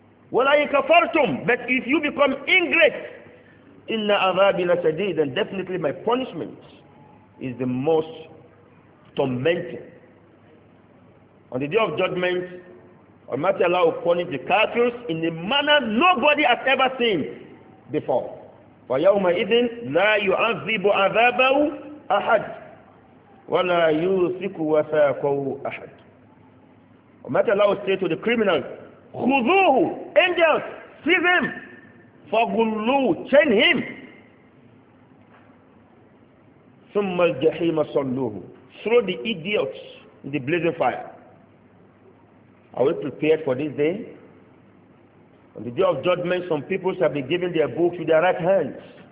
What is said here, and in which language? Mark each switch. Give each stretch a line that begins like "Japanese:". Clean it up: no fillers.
Arabic: Wala in kafartum,
English: but if you become ingrate,
Arabic: inna adhabi la shadid,
English: then definitely my punishment is the most tormenting. On the day of judgment, Almighty Allah will punish the kafirs in a manner nobody has ever seen before.
Arabic: وَيَوْمَ إِذٍ لَا يُعَذِّبُ عَذَابَهُ أَحَدٍ وَلَا يُوثِقُ وَثَاقَهُ أَحَدٍ
English: Almighty Allah will say to the criminals,
Arabic: خُذُوهُ
English: Angels, seize him!
Arabic: فَغُلُّوهُ
English: Chain him!
Arabic: ثُمَّ الْجَحِيمَ صَلُّوهُ
English: Throw the idiots in the blazing fire. Are we prepared for this day? On the day of judgment, some people shall be given their books with their right hands.